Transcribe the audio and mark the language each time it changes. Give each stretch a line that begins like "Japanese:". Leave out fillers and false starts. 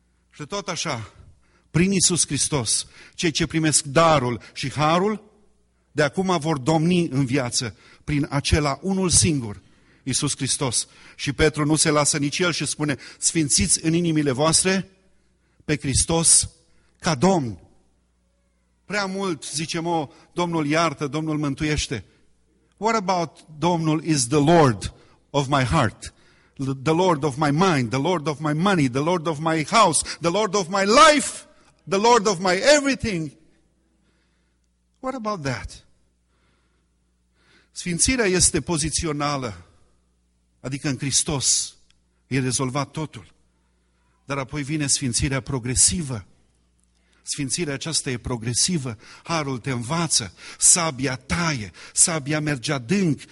Romanian: Și tot așa, prin Iisus Hristos, cei ce primesc darul și harul, de acum vor domni în viață prin acela unul singur, Iisus Hristos. Și Petru nu se lasă nici el și spune: sfințiți în inimile voastre pe Hristos ca Domn. Prea mult zicem: Domnul iartă, Domnul mântuiește.
English: What about Domnul is the Lord of my heart, the Lord of my mind, the Lord of my money, the Lord of my house, the Lord of my life, the Lord of my everything? What about that?
Romanian: Sfințirea este pozițională, adică în Hristos e rezolvat totul. Dar apoi vine sfințirea progresivă. Sfințirea aceasta e progresivă. Harul te învață. Sabia taie. Sabia merge adânc.